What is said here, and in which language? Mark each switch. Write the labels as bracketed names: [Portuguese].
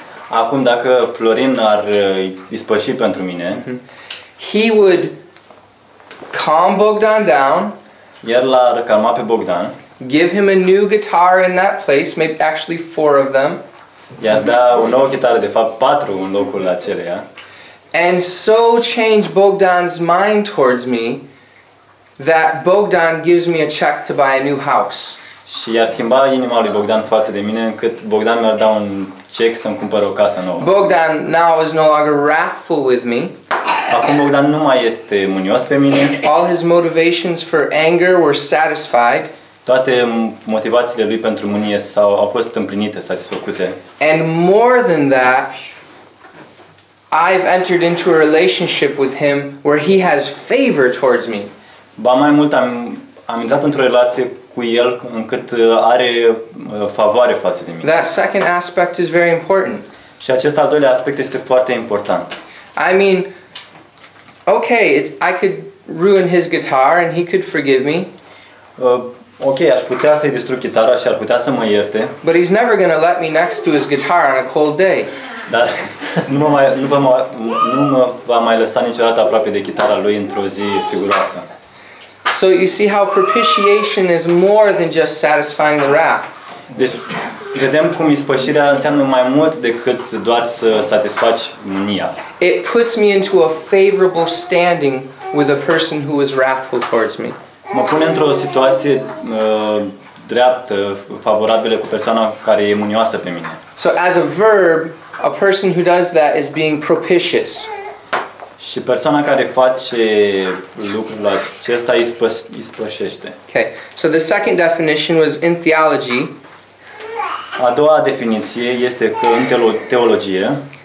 [Romanian] acum dacă Florin ar ispăși pentru mine, [English] he would calm Bogdan down, [Romanian] iar l-ar calma pe Bogdan, [English] give him a new guitar in that place, maybe actually four of them, [Romanian] i-ar da o nouă chitară, de fapt patru în locul aceleia, [English] and so change Bogdan's mind towards me, that Bogdan gives me a check to buy a new house. [Romanian] Și i-ar schimba inima lui Bogdan față de mine, încât Bogdan mi-ar da un cec să-mi cumpăr o casă nouă. [English] Bogdan now is no longer wrathful with me. [Romanian] Acum Bogdan nu mai este mânios pe mine. [English] All his motivations for anger were satisfied. [Romanian] Toate motivațiile lui pentru mânie au fost împlinite, satisfăcute. [English] And more than that, I've entered into a relationship with him where he has favor towards me. [Romanian] Ba mai mult, am intrat într-o relație cu el încât are favoare față de mine. [English] That second aspect is very important. [Romanian] Și acest al doilea aspect este foarte important. [English] I mean, okay, I could ruin his guitar and he could forgive me. [Romanian] Okay, aș putea să-i distrug chitara și ar putea să mă ierte. [English] But he's never going to let me next to his guitar on a cold day. [Romanian] Dar nu mă va mai lăsa niciodată aproape de chitara lui într-o zi friguroasă. [English] So you see how propitiation is more than just satisfying the wrath. [Romanian] Deci, vedem cum ispășirea înseamnă mai mult decât doar să satisfaci mânia. [English] It puts me into a favorable standing with a person who is wrathful towards me. [Romanian] mă pune într-o situație dreaptă, favorabilă cu persoana care e mânioasă pe mine. [English] So as a verb, a person who does that is being propitious. [Romanian] Și persoana care face lucrul acesta ispășește. [English] Okay. So the second definition was in theology. [Romanian] A doua definiție este că în teologie.